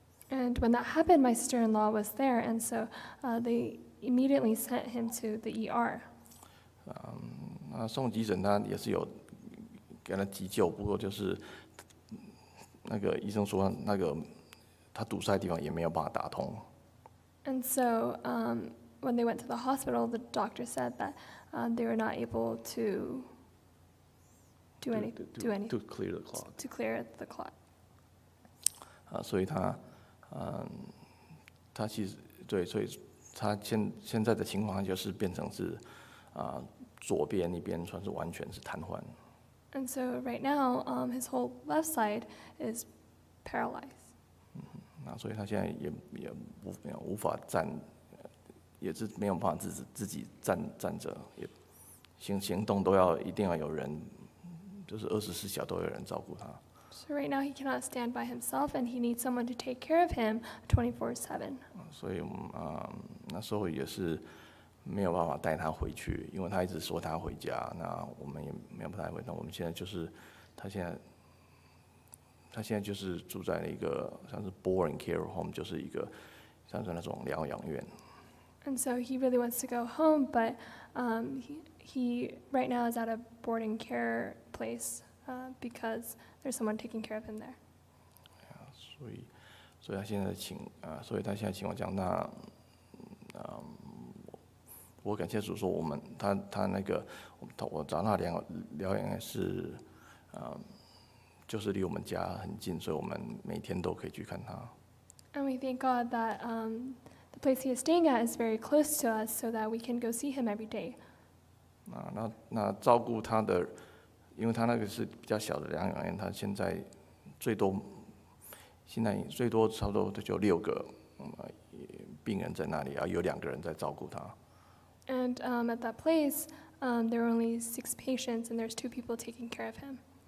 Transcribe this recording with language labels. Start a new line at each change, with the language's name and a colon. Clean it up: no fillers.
English: And when that happened, my sister-in-law was there, and so they immediately sent him to the ER.
Chinese: 那送急诊他也是有给他急救，不过就是。那个医生说，那个他堵塞的地方也没有办法打通。
English: And so, when they went to the hospital, the doctor said that they were not able to do anything to clear the clot. To clear the clot.
Chinese: 所以他其实对，所以他现在的情况就是变成是左边一边算是完全是瘫痪。
English: And so right now, his whole left side is paralyzed.
Chinese: 那所以他现在也无法站，也是没有办法自己站着，也行动都要一定要有人就是24小时都有人照顾他。
English: So right now he cannot stand by himself and he needs someone to take care of him 24/7.
Chinese: 所以那时候也是没有办法带他回去，因为他一直说他回家，那我们也没有办法回去。那我们现在就是他现在就是住在了一个像是
English: born care home，
Chinese: 就是一个像是那种疗养院。
English: And so he really wants to go home, but he right now is at a boarding care place because there's someone taking care of him there.
Chinese: Yeah, 所以他现在请所以他现在请我讲，那我感谢主说我们他那个我找那疗养是就是离我们家很近，所以我们每天都可以去看他。
English: And we thank God that the place he is staying at is very close to us so that we can go see him every day.
Chinese: 那照顾他的，因为他那个是比较小的疗养院，他现在最多差不多就六个病人在那里，有两个人在照顾他。
English: And at that place, there are only six patients and there's two people taking care of him.